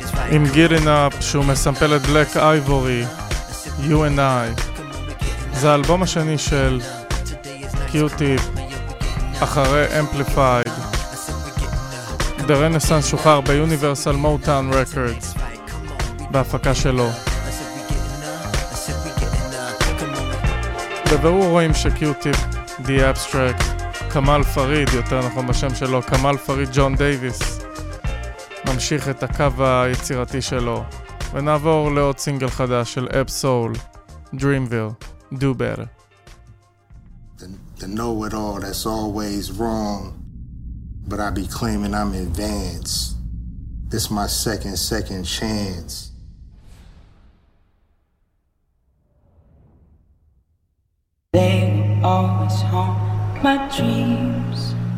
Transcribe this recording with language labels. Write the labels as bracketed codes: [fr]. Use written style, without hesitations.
[he] עם Getting Up, שהוא מסמפל את Black Ivory, You and I. זה האלבום השני של קיוטיפ אחרי Amplified. The Renaissance שוחרר ב-Universal Motown Records בהפקה שלו. בבירור רואים שקיוטיפ The Abstract, כמאל פריד, יותר נכון בשם שלו, כמאל פריד ג'ון דייביס, נמשיך את הקו היצירתי שלו ונעבור לעוד סינגל חדש של אפ סול, Dreamville, Do Better. [en] To know it all, that's always wrong, but I be claiming I'm advanced. This my second chance. They always haunt my dreams.